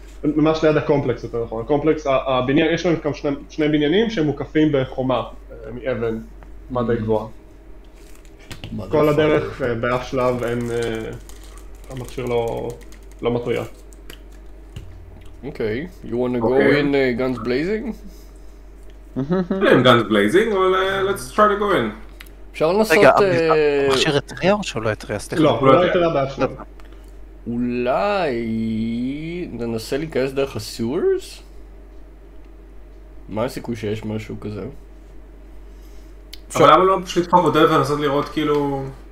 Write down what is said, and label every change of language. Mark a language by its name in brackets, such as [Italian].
[Hebrew] ממש ליד הקומפלקס, אתה נכון. הקומפלקס, הבניין, יש לנו כאן שני בניינים שהם מוקפים בחומה מאבן, מה די גבוהה. כל הדרך, באף שלב, המכשיר לא מטריע. [English] אוקיי, you wanna go in guns blazing? I'm guns blazing, אבל let's try to go in. [Hebrew] אפשר לנסות... המכשיר הטריע או שהוא לא הטריע? לא, הוא לא הטריע באף שלב. אולי ננסה להיכנס דרך הסיורס? מה הסיכוי שיש משהו כזה? אבל למה לא פשוט לתפוק בדלת ולנסות לראות כאילו...